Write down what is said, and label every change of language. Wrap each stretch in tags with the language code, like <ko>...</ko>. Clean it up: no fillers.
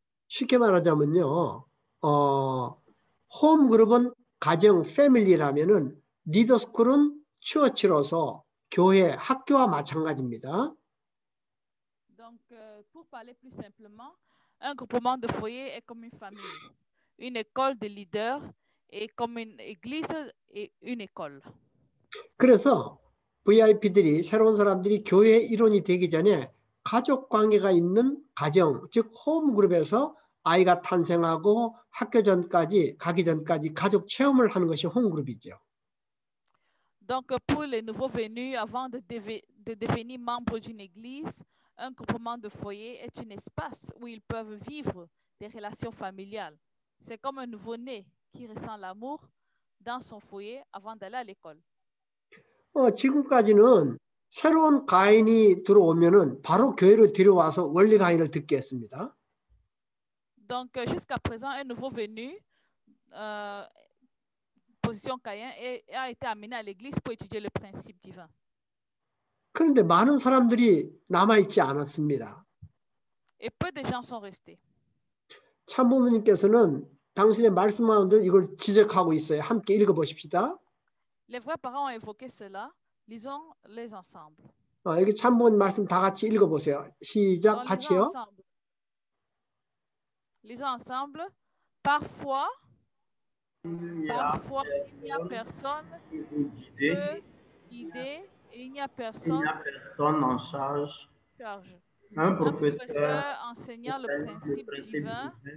<ko>쉽게 말하자면요, 홈 그룹은 가정 패밀리라면은 리더 스쿨은 처치로서 교회 학교와 마찬가지입니다.</ko> <fr>Donc, pour parler plus simplement, un groupement de foyer est comme une famille. Une école de leaders est comme une église et une école.</fr> <ko>그래서 VIP들이 새로운 사람들이 교회 일원이 되기 전에 가족 관계가 있는 가정, 즉 홈그룹에서 아이가 탄생하고 학교 전까지 가기 전까지 가족 체험을 하는 것이 홈그룹이죠.</ko> <fr>Donc pour les nouveaux venus avant de devenir membre d'une église, un groupement de foyer est un espace où ils peuvent vivre des relations familiales. C'est comme un nouveau-né qui ressent l'amour dans son foyer avant d'aller à l'école.</fr> <ko>지금까지는 새로운 가인이 들어오면은 바로 교회로 데려와서 원리 강의를 듣게 했습니다.</ko> <fr>Donc jusqu'à présent, un nouveau venu, position caïen, a été amené à l'église pour étudier le principe divin.</fr> <ko>그런데 많은 사람들이 남아있지 않았습니다.</ko> <fr>Et peu de gens sont restés.</fr> <ko>참부모님께서는 당신의 말씀 가운데 이걸 지적하고 있어요. 함께 읽어보십시다.</ko> <fr>Les vrais parents ont évoqué cela. Lisons-les ensemble.</fr> <ko>여기 참부모님 말씀 다 같이 읽어보세요. 시작, Donc, 같이요.</ko> <fr>Lisons ensemble. Parfois, il n'y a personne qui vous guide et il n'y a personne, en charge. Un professeur enseignant le principe divin</fr>